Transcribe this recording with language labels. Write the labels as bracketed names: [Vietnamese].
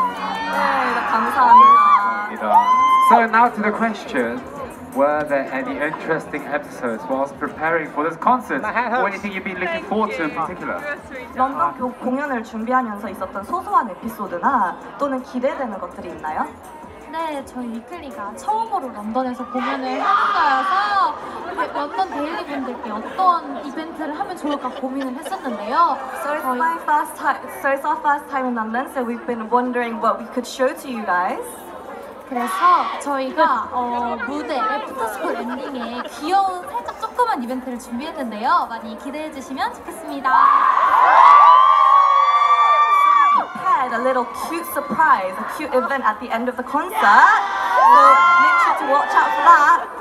[English] So now to the question, were there any interesting episodes whilst preparing for this concert? Or anything you've been looking forward to in particular? [Korean] 런던 공연을 준비하면서 있었던 소소한 에피소드나 또는 기대되는 것들이 있나요? 네, 저희 위클리가 처음으로 런던에서 공연을 하는 거여서 런던 데일리 분들께 어떤 이벤트를 하면 좋을까 고민을 했었는데요. [English] So it's my first time in London, so we've been wondering what we could show to you guys. [Korean] 그래서 저희가 무대 애프터스쿨 엔딩에 귀여운 살짝 조그만 이벤트를 준비했는데요. 많이 기대해 주시면 좋겠습니다. [English] Prepared a little cute surprise, a cute event at the end of the concert. So make sure to watch out for that.